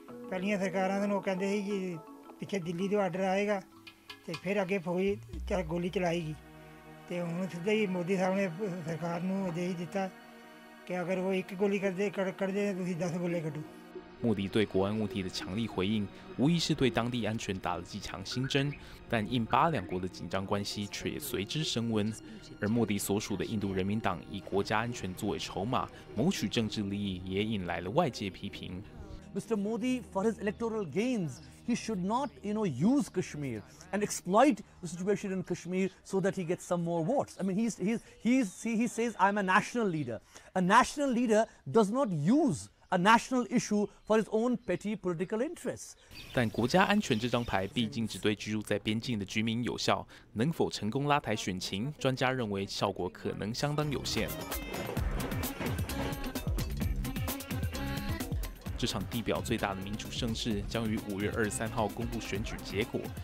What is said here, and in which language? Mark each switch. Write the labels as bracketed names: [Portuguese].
[Punjabi] ਪਹਿਲੀਆਂ ਸਰਕਾਰਾਂ ਨੂੰ ਕਹਿੰਦੇ ਸੀ ਕਿ ਪਿੱਛੇ ਦਿੱਲੀ ਤੋਂ ਆਰਡਰ ਆਏਗਾ ਅਤੇ ਫਿਰ ਅੱਗੇ ਫੌਜੀ ਚਾਹੇ ਗੋਲੀ ਚਲਾਏਗੀ ਅਤੇ ਹੁਣ ਸਿੱਧਾ ਹੀ ਮੋਦੀ ਸਾਹਿਬ ਨੇ ਸਰਕਾਰ ਨੂੰ ਆਦੇਸ਼ ਦਿੱਤਾ ਕਿ ਅਗਰ ਉਹ 1 ਗੋਲੀ ਕੱਢਦੇ ਨੇ ਤੁਸੀਂ 10 ਗੋਲੇ ਕੱਢੋ। [Chinese] 莫迪对国安问题的强力回应，无疑是对当地安全打了剂强心针，但印巴两国的紧张关系却也随之升温。而莫迪所属的印度人民党以国家安全作为筹码，谋取政治利益，也引来了外界批评。 [English] Mr. Modi for his electoral gains. He should not, you know, use Kashmir and exploit the situation in Kashmir so that he gets some more votes. I mean, he says, I'm a national leader. A national leader does not use a national issue for his own petty political interests. [Chinese] 但国家安全这张牌毕竟只对居住在边境的居民有效，能否成功拉抬选情，专家认为效果可能相当有限。这场地表最大的民主盛事将于5月23号公布选举结果。